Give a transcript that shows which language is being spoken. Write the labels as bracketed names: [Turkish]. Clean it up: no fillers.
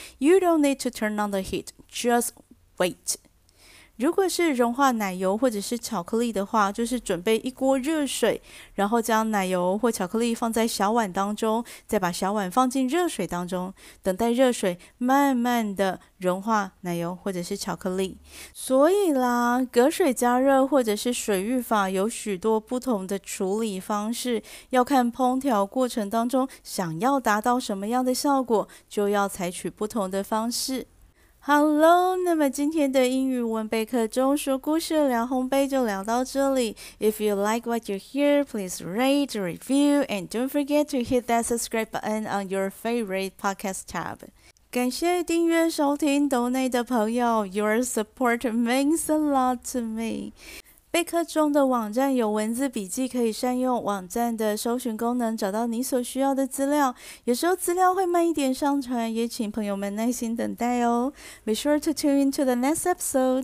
[English] You don't need to turn on the heat, just wait. [Chinese] 如果是融化奶油或者是巧克力的话，就是准备一锅热水，然后将奶油或巧克力放在小碗当中，再把小碗放进热水当中，等待热水慢慢的融化奶油或者是巧克力。所以啦，隔水加热或者是水浴法有许多不同的处理方式，要看烹调过程当中想要达到什么样的效果，就要采取不同的方式。好喽，那么今天的英语文备课中说故事聊烘焙就聊到这里。 [English] If you like what you hear, please rate, review, and don't forget to hit that subscribe button on your favorite podcast tab. [Chinese] 感谢订阅收听斗内的朋友 , [English] your support means a lot to me. [Chinese] 备课中的网站有文字笔记，可以善用网站的搜寻功能找到你所需要的资料。有时候资料会慢一点上传，也请朋友们耐心等待哦。 [English] Be sure to tune into the next episode.